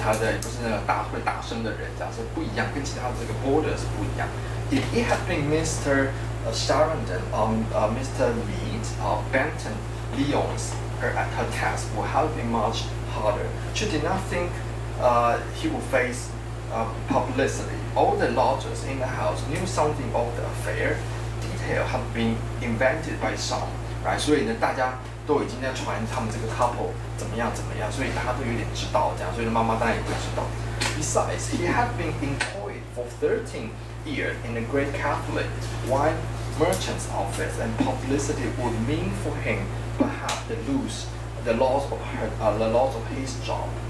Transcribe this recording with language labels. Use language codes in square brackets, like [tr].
[zh] 他的不是那个会大声的人，这样是不一样，跟其他的这个 border 是不一样。 [en] If it had been Mr. Sharonden, Mr. Reed, Benton, Lyons, her task would have been much harder. She did not think he would face publicity. All the lodgers in the house knew something of the affair. Detail had been invented by some. Right? [zh] 所以呢，大家都已经在传他们这个 couple 怎么样，所以大家都有点知道这样，所以妈妈当然也会知道。 [en] Besides, he had been employed for 13 years in a great Catholic wine merchant's office, and publicity would mean for him perhaps the loss of his job.